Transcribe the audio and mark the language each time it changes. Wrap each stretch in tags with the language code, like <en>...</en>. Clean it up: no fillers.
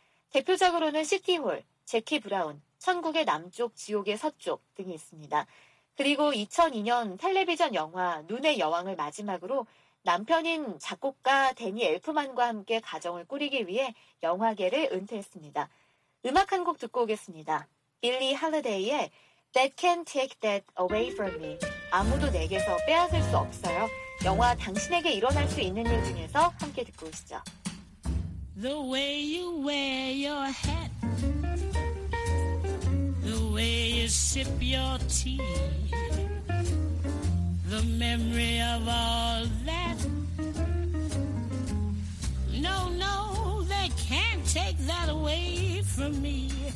<ko>대표작으로는 시티홀, 제키 브라운, 천국의 남쪽, 지옥의 서쪽 등이 있습니다. 그리고 2002년 텔레비전 영화 눈의 여왕을 마지막으로 남편인 작곡가 데니 엘프만과 함께 가정을 꾸리기 위해 영화계를 은퇴했습니다. 음악 한 곡 듣고 오겠습니다. 빌리 할리데이의 That Can't Take That Away From Me. 아무도 내게서 빼앗을 수 없어요. 영화 당신에게 일어날 수 있는 일 중에서 함께 듣고 오시죠.</ko> <en>The way you wear your hat, the way you sip your tea, the memory of all that. No, no, they can't take that away from me.</en>